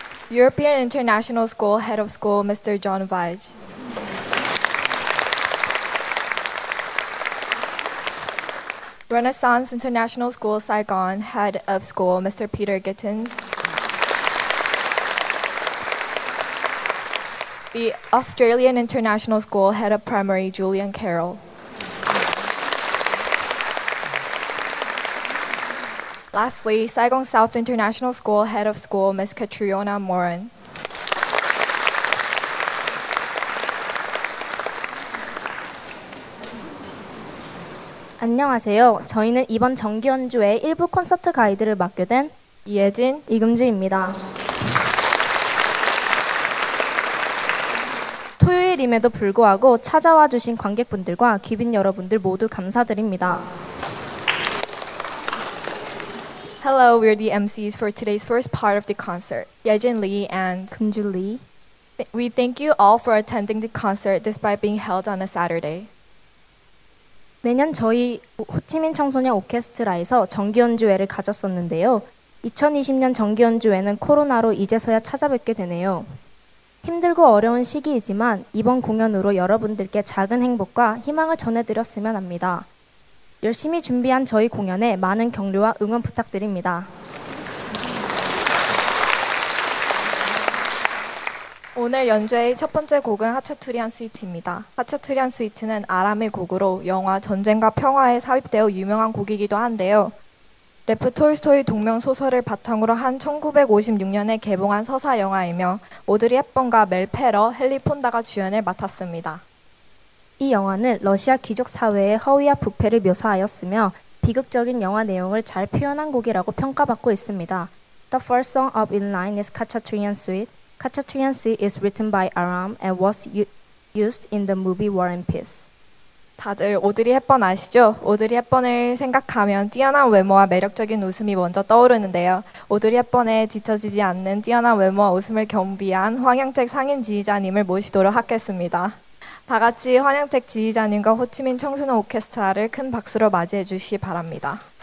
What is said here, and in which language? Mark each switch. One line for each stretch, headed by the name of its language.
Korean: 유러피안 인터내셔널 스쿨 헤드 오브 스쿨 미스터 존 바이지. 르네상스 인터내셔널 스쿨 사이건 헤드 오브 스쿨 미스터 피터 기튼스.
English: The Australian International School Head of Primary, Julian Carroll. Lastly, Saigon South International School Head of School, Ms. Catriona Moran.
Korean: 안녕하세요. 저희는 이번 정기 연주회 일부 콘서트 가이드를 맡게 된 이예진, 이금주입니다. 임에도 불구하고 찾아와 주신 관객분들과 기빈 여러분들 모두 감사드립니다.
English: Hello, we're the MCs for today's first part of the concert. Yejin Lee and 금주 Lee. We thank you all for attending the concert despite being held on a Saturday.
Korean: 매년 저희 호치민 청소년 오케스트라에서 정기 연주회를 가졌었는데요. 2020년 정기 연주회는 코로나로 이제서야 찾아뵙게 되네요. 힘들고 어려운 시기이지만 이번 공연으로 여러분들께 작은 행복과 희망을 전해드렸으면 합니다. 열심히 준비한 저희 공연에 많은 격려와 응원 부탁드립니다. (웃음) 오늘 연주의 첫 번째 곡은 하차트리안 스위트입니다. 하차트리안 스위트는 아람의 곡으로 영화 전쟁과 평화에 삽입되어 유명한 곡이기도 한데요. 레프 톨스토이 동명소설을 바탕으로 한 1956년에 개봉한 서사 영화이며 오드리 헵번과 멜 페러, 헨리 폰다가 주연을 맡았습니다. 이 영화는 러시아 귀족 사회의 허위와 부패를 묘사하였으며 비극적인 영화 내용을 잘 표현한 곡이라고 평가받고 있습니다.
English: The first song up in line is Khachaturian Suite. Khachaturian Suite is written by Aram and was used in the movie War and Peace.
Korean: 다들 오드리 헵번 아시죠? 오드리 헵번을 생각하면 뛰어난 외모와 매력적인 웃음이 먼저 떠오르는데요. 오드리 헵번의 뒤처지지 않는 뛰어난 외모와 웃음을 겸비한 환영책 상임 지휘자님을 모시도록 하겠습니다. 다 같이 환영책 지휘자님과 호치민 청소년 오케스트라를 큰 박수로 맞이해 주시기 바랍니다.